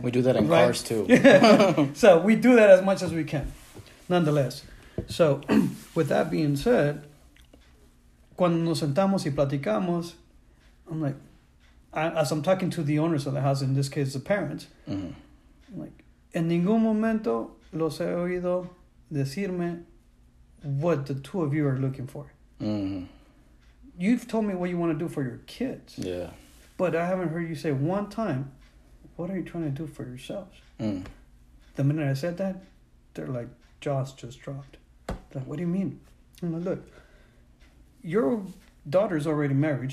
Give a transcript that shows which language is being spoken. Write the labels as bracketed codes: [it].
[en] We do that in cars, too. So we do that as much as we can, nonetheless. So with that being said, [es] cuando nos sentamos y platicamos, [en] I'm like, as I'm talking to the owners of the house, in this case, the parents, mm-hmm. I'm like, [es] en ningún momento los he oído decirme [en] what the two of you are looking for. Mm-hmm. You've told me what you want to do for your kids. Yeah. But I haven't heard you say one time, what are you trying to do for yourselves? Mm. The minute I said that, they're like, jaws just dropped. They're like, what do you mean? I'm like, look, your daughter's already married.